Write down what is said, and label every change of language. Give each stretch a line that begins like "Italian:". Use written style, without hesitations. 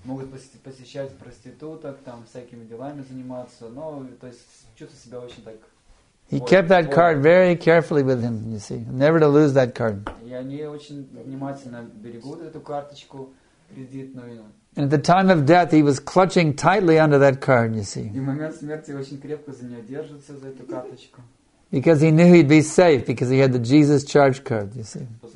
Russian: Могут посещать проституток, там всякими делами заниматься, но то есть чувствую себя очень так.
English: He kept that card very carefully with him. You see, never to lose that card.
Russian: И они очень внимательно берегут эту карточку кредитную.
English: And at the time of death, he was clutching tightly under that card. You see.
Russian: И в момент смерти очень крепко за нее держится за эту карточку.
English: Because he knew he'd be safe, because he had the Jesus charge card, you see.